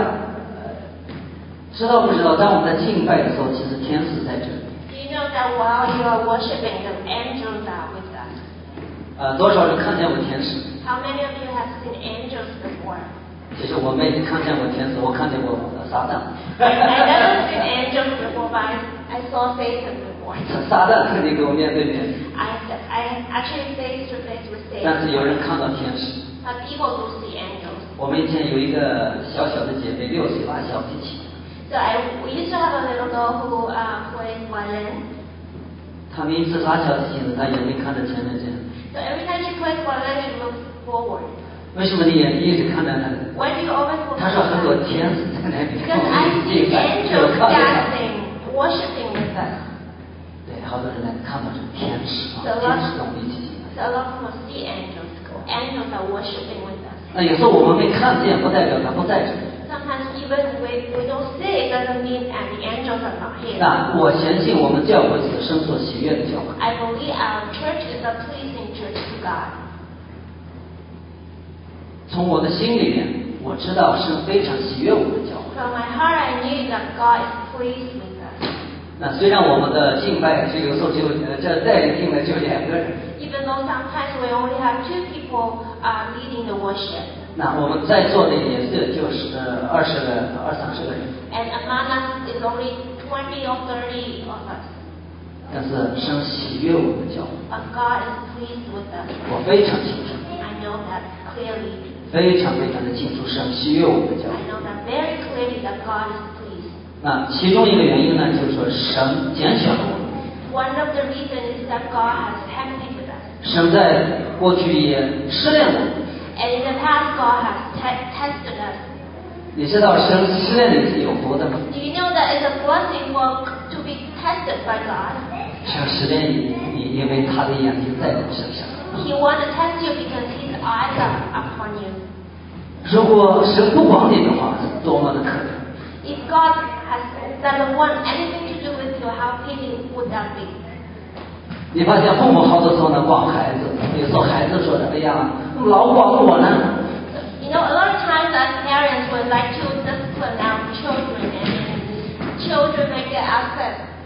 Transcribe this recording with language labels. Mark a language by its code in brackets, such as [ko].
[zh] 大家知道不知道，当我们在敬拜的时候，其实天使在这里。 [en] Do you know that while you are worshiping, the angels are with us? [zh] 多少人看见过天使？ [en] How many of you have seen angels before? [zh] 其实我没看见过天使，我看见过撒旦。 [en] I never seen angels before, but I saw Satan. [zh] 撒旦肯定跟我面对面。 [en] I actually face to face with Satan. [zh] 但是有人看到天使。 [en] But people do see angels. [zh] 我们以前有一个小小的姐妹，六岁拉小提琴。 [en] So we used to have a little girl who plays violin. [zh] 她每次拉小提琴时，她眼睛看着前面这样。 [en] So every time she plays violin, she looks forward. [zh] 为什么你眼睛一直看着她？ [en] Why do you always look? [zh] 她说很多天使在那边。 [en] Because I see angels dancing, worshiping with us. [zh] 好多人来看到这个天使，天使跟我们一起敬拜。 [en] So a lot of people see angels. Angels are worshiping with us. [zh] 那有时候我们没看见，不代表他不在这里。 [en] Sometimes even we don't see, it doesn't mean that the angels are not here. [zh] 那我相信我们教会是圣所喜悦的教会。 [en] I believe our church is a pleasing church to God. [zh] 从我的心里面，我知道是非常喜悦我们的教会。 [en] From my heart, I knew that God is pleased with me. [zh] 那虽然我们的敬拜就有时候就这带领敬拜就两个人。 [en] Even though sometimes we only have two people leading the worship. [zh] 那我们在座的也是就是二十个二三十个人。 [en] And among us is only 20 or 30 of us. [zh] 但是神喜悦我们的教会。 [en] But God is pleased with us. [zh] 我非常清楚。 [en] I know that clearly. [zh] 非常非常的清楚，神喜悦我们的教会。 [en] I know that very clearly that God is. [zh] 那其中一个原因呢，就是说神拣选了我们。 [en] One of the reasons is that God has tested us. [zh] 神在过去也试炼了。 [en] And in the past, God has tested us. [zh] 你知道神试炼你是有福的吗 [en] ？Do you know that it's a blessing for to be tested by God? [zh] 神试炼你，因为他的眼睛在你身上。 [en] He wants to test you because His eyes are upon you. [zh] 如果神不管你的话，多么的可怜。 [en] If God doesn't want anything to do with you, how pitying would that be? [zh] 你发现父母好多时候呢管孩子，有时候孩子说的，哎呀，怎么老管我呢？ [en] You know, a lot of times as parents would like to discipline our children, and children may get upset.